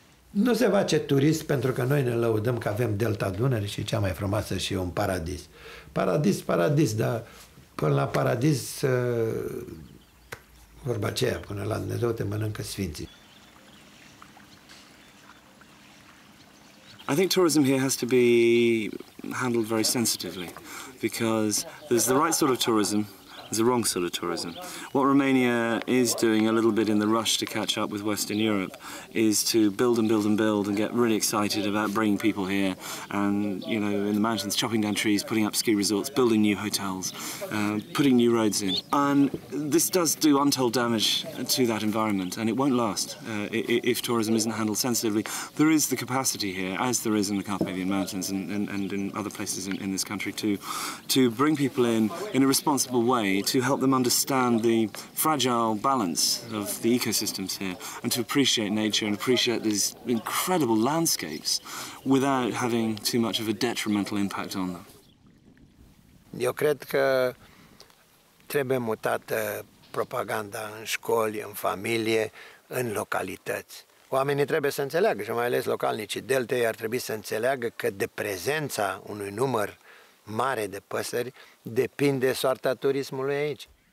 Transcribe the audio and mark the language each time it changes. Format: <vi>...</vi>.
<ro>Nu se face turist pentru că noi ne lăudăm că avem Delta Dunării și cea mai frumoasă și un paradis. Paradis, paradis, dar până la paradis, vorba aceea, până la Dumnezeu te mănâncă sfinții.</ro> <en>I think tourism here has to be handled very sensitively because there's the right sort of tourism, there's the wrong sort of tourism. What Romania is doing a little bit in the rush to catch up with Western Europe is to build and build and build and get really excited about bringing people here and, you know, in the mountains, chopping down trees, putting up ski resorts, building new hotels, putting new roads in. And this does do untold damage to that environment, and it won't last if tourism isn't handled sensitively. There is the capacity here, as there is in the Carpathian Mountains and in other places in this country, to bring people in a responsible way, to help them understand the fragile balance of the ecosystems here and to appreciate nature and appreciate these incredible landscapes without having too much of a detrimental impact on them.</en> <ro>Eu cred că trebuie mutată propaganda în școli, în familie, în localități. Oamenii trebuie să înțeleagă, și mai ales localnicii deltei ar trebui să înțeleagă că de prezența unui număr mare de păsări depinde soarta turismului aici.</ro>